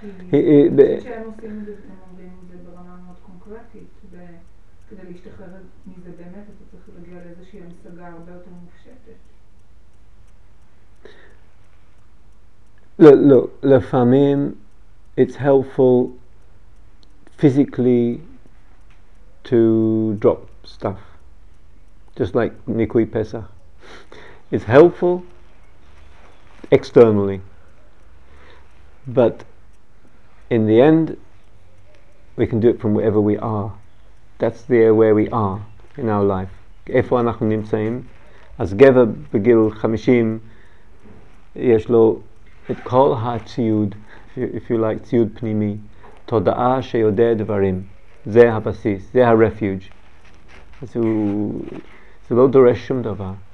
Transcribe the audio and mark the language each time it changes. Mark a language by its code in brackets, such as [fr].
[he] כשהם עושים את זה, הם עובדים את זה ברמה מאוד קונקרטית, וכדי להשתחרר מזה באמת, אתה צריך להגיע לאיזושהי המשגה הרבה יותר מופשטת. [en] Look, לפעמים, it's helpful physically to drop stuff, just like Nikui Pesa. It's helpful externally. But in the end, we can do it from wherever we are. That's the where we are in our life. [he] איפה אנחנו נמצאים? אז גבר בגיל 50 יש לו את כל הציוד, [en] if you like, [he] ציוד פנימי, תודעה שיודע דברים. זה הבסיס, זה הרפיוג'. אז זה לא דורש שום דבר.